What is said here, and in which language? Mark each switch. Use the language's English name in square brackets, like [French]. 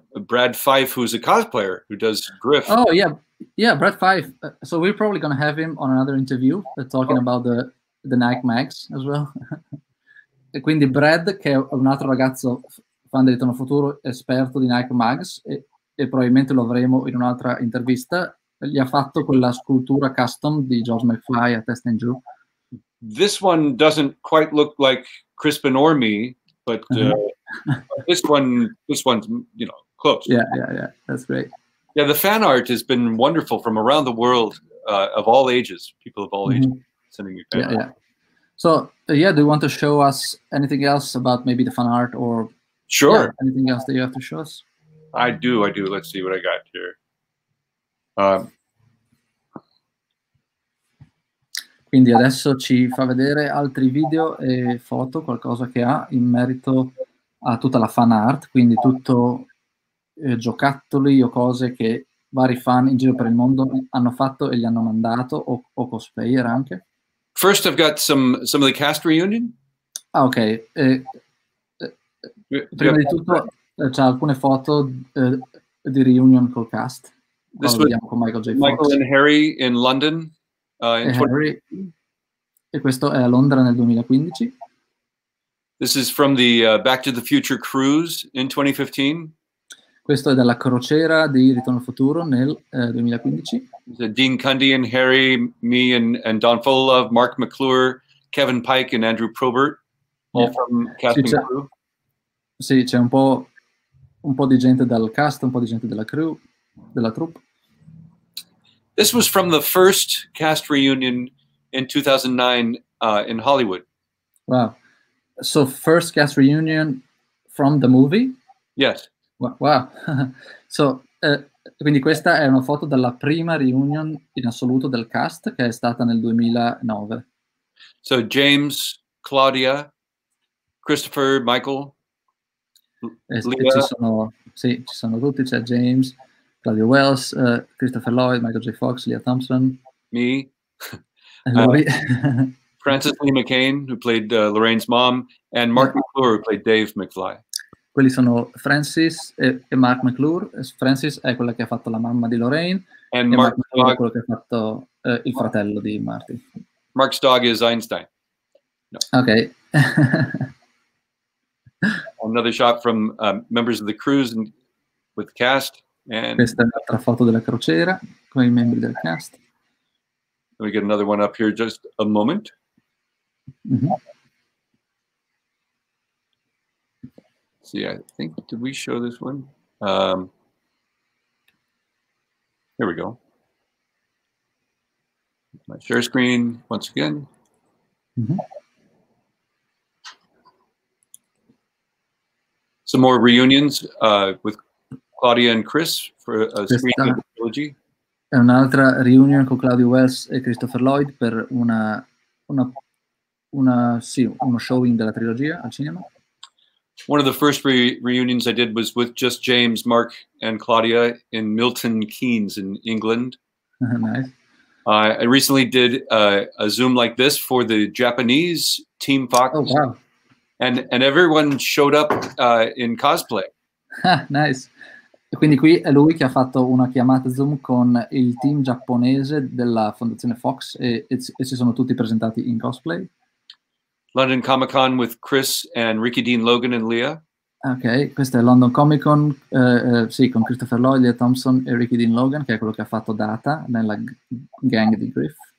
[English] Brad Fife, who's a cosplayer who does Griff. Oh yeah, Brad Fife. So we're probably gonna have him on another interview talking about the NAC Max as well. [Italian] E quindi Brad, che è un altro ragazzo fan del Ritorno Futuro, esperto di NAC Max, e probabilmente lo avremo in un'altra intervista. Gli ha fatto quella scultura custom di George McFly a testa in giù. [English] This one doesn't quite look like Crispin or me, but this one's, you know, close. Yeah, that's great. Yeah, the fan art has been wonderful from around the world, of all ages, people of all mm-hmm. ages sending you fan art. Yeah. So, do you want to show us anything else about maybe the fan art or sure. Anything else that you have to show us? I do. Let's see what I got here. [Italian] Quindi adesso ci fa vedere altri video e foto, qualcosa che ha in merito a tutta la fan art, quindi tutto giocattoli o cose che vari fan in giro per il mondo hanno fatto e gli hanno mandato, o cosplayer anche. [English] First I've got some of the cast reunion. [Italian] Ah ok, prima di tutto c'è alcune foto di reunion col cast. [English] This was Michael and Harry in London. [Italian] E questo è a Londra nel 2015. [English] This is from the Back to the Future cruise in 2015. [Italian] Questo è dalla crociera di Ritorno al Futuro nel 2015. [English] Dean Cundey and Harry, me and Don Fullove, Mark McClure, Kevin Pike and Andrew Probert, all from casting crew. [Italian] Sì, c'è un po' un po' di gente dal cast, un po' di gente della crew, della troupe. [English] This was from the first cast reunion in 2009 in Hollywood. Wow. So first cast reunion from the movie? Yes. Wow. [Italian] So, quindi questa è una foto della prima reunion in assoluto del cast che è stata nel 2009. [English] So James, Claudia, Christopher, Michael, Leah. [Italian] Ci sono tutti, c'è James, Claudia Wells, Christopher Lloyd, Michael J. Fox, Leah Thompson. [English] Me. [Italian] Lui. [English] Francis Lee McCain, who played Lorraine's mom, and Mark McClure, who played Dave McFly. [Italian] Quelli sono Francis e Mark McClure. Francis è quella che ha fatto la mamma di Lorraine. [English] And [Italian] e Mark McClure è quello che ha fatto il fratello di Marty. [English] Mark's dog is Einstein. No. Ok. Another shot from members of the cruise and with cast. And [Italian] questa è un'altra foto della crociera con i membri del cast. [English] Let me get another one up here, just a moment. Mm-hmm. See, I think, did we show this one? Here we go. My share screen once again. Mm-hmm. Some more reunions with Claudia and Chris for a screen trilogy. [Italian] È un'altra reunion con Claudia Wells e Christopher Lloyd per uno showing della trilogia al cinema. [English] One of the first reunions I did was with just James, Mark and Claudia in Milton Keynes in England. Nice. I recently did a Zoom like this for the Japanese Team Fox. Oh, wow. And everyone showed up in cosplay. Nice. [Italian] Quindi qui è lui che ha fatto una chiamata Zoom con il team giapponese della Fondazione Fox e si sono tutti presentati in cosplay. [English] London Comic Con with Chris and Ricky Dean Logan and Leah. [Italian] Ok, questa è London Comic Con, sì, con Christopher Lloyd, Leah Thompson e Ricky Dean Logan, che è quello che ha fatto Data nella gang di Griff.